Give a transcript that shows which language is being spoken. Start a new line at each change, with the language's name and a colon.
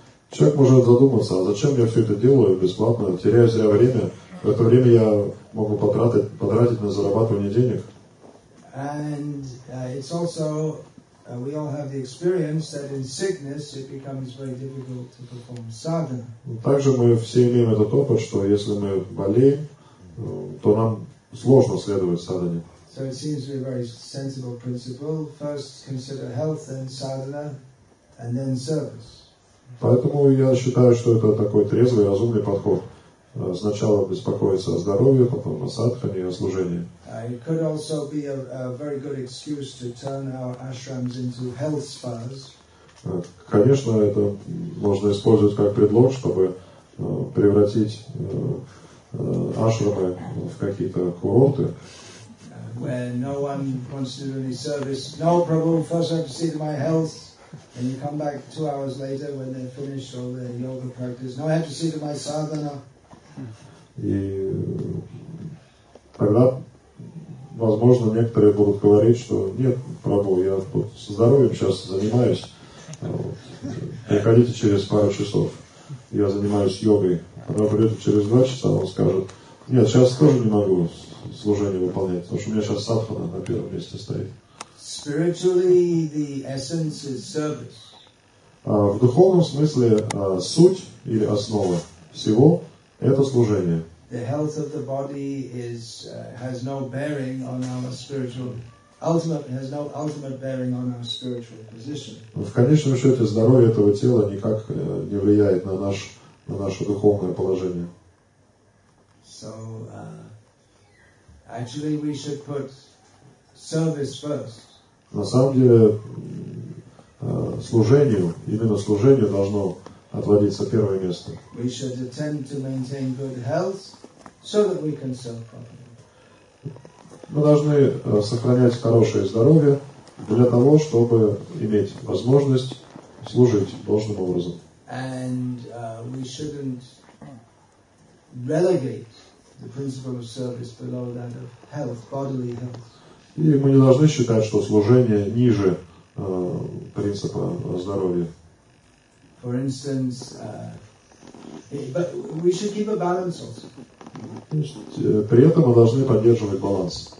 Russian: Человек может задуматься, а зачем я все это делаю бесплатно, теряю зря время. В это время я могу потратить на зарабатывание денег.
English: And it's also we all have the experience that in sickness it becomes very difficult to perform sadhana.
Russian: Также мы все имеем этот опыт, что если мы болеем, то нам сложно следовать садхане.
English: So it seems to be a very sensible principle. First consider health, then sadhana, and then service.
Russian: Поэтому я считаю, что это такой трезвый, разумный подход. Сначала беспокоиться о здоровье, потом о садхане и о служении.
English: It could also be a very good excuse to turn our ashrams into health spas.
Russian: Конечно, это можно использовать как предлог, чтобы превратить ашрамы в какие-то курорты.
English: Where no one wants to do any service. No, Prabhu, first I have to see to my health. And you come back 2 hours later when they finish all their yoga practice. No, I have to see to my sadhana.
Russian: И тогда, возможно, некоторые будут говорить, что нет, Прабу, я тут со здоровьем сейчас занимаюсь. Приходите через пару часов, я занимаюсь йогой. Когда придет через 2 часа, он скажет, нет, сейчас тоже не могу служение выполнять, потому что у меня сейчас садхана на первом месте стоит.
English: Spiritually, the essence is service.
Russian: В духовном смысле суть или основа всего – это служение.
English: The health of the body is has no bearing on our spiritual ultimate has no ultimate bearing on our spiritual position.
Russian: В конечном счете здоровье этого тела никак не влияет на наше духовное положение.
English: So actually we should put service first.
Russian: На самом деле служению, именно служению должно отводиться первое место.
English: We should attempt to maintain good health so that we can serve properly.
Russian: Мы должны сохранять хорошее здоровье для того, чтобы иметь возможность служить должным образом.
English: And we shouldn't relegate the principle of service below that of health, bodily health.
Russian: И мы не должны считать, что служение ниже принципа здоровья.
English: For instance, but we should keep a balance also.
Russian: При этом мы должны поддерживать баланс.